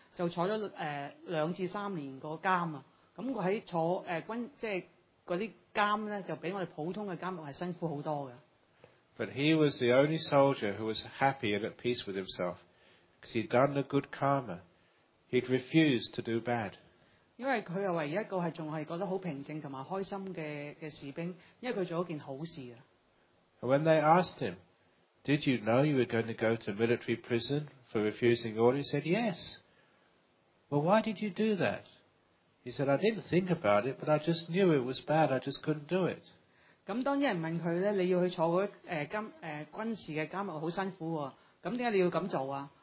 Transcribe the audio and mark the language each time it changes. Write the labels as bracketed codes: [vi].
[yue] 就坐了2至3年的監啊，咁佢喺坐軍即係嗰啲監咧，就比我哋普通嘅監獄係辛苦好多嘅。 [en] But he was the only soldier who was happy and at peace with himself, because he'd done the good karma. He'd refused to do bad. [yue] 因為佢係唯一一個係仲係覺得好平靜同埋開心嘅士兵，因為佢做咗件好事啊。 [en] When they asked him, "Did you know you were going to go to military prison for refusing the order?" He said, "Yes." Well, why did you do that? He said, "I didn't think about it, but I just knew it was bad. I just couldn't do it." [yue] 咁當人問佢咧，你要去坐嗰軍事嘅監獄好辛苦喎，咁點解你要咁做啊？